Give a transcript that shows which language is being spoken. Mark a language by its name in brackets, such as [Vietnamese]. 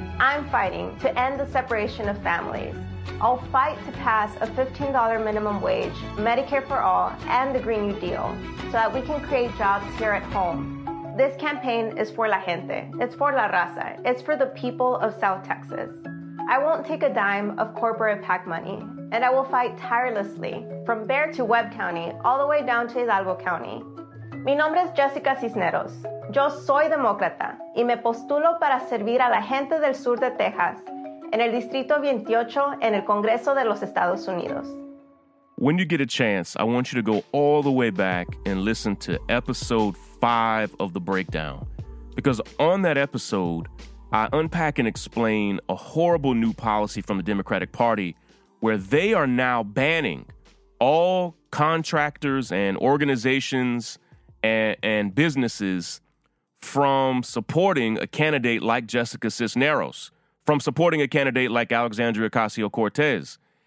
[English] I'm fighting to end the separation of families. I'll fight to pass a $15 minimum wage, Medicare for all, and the Green New Deal so that we can create jobs here at home. This campaign is for [Spanish] la gente. [English] It's for [Spanish] la raza. [English] It's for the people of South Texas. I won't take a dime of corporate PAC money, and I will fight tirelessly from Bear to Webb County, all the way down to Hidalgo County. [Spanish] Mi nombre es Jessica Cisneros. Yo soy demócrata, y me postulo para servir a la gente del sur de Texas en el Distrito 28 en el Congreso de los Estados Unidos. [English] When you get a chance, I want you to go all the way back and listen to episode 5 of The Breakdown. Because on that episode, I unpack and explain a horrible new policy from the Democratic Party where they are now banning all contractors and organizations and businesses from supporting a candidate like Jessica Cisneros, from supporting a candidate like Alexandria Ocasio-Cortez.